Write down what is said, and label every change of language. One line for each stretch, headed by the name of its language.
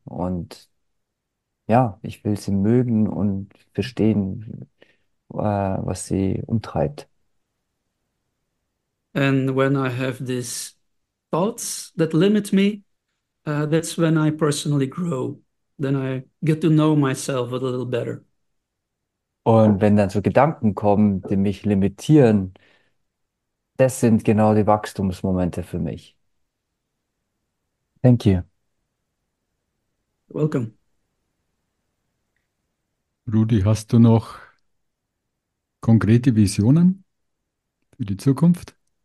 German: Und ja, ich will sie mögen und verstehen, was sie umtreibt.
English: And when I have these thoughts that limit me, that's when I personally grow. Then I get to know myself a little better.
German: Und wenn dann so Gedanken kommen, die mich limitieren, das sind genau die Wachstumsmomente für mich.
English: Thank you. Welcome.
German: Rudi, hast du noch konkrete Visionen für die Zukunft?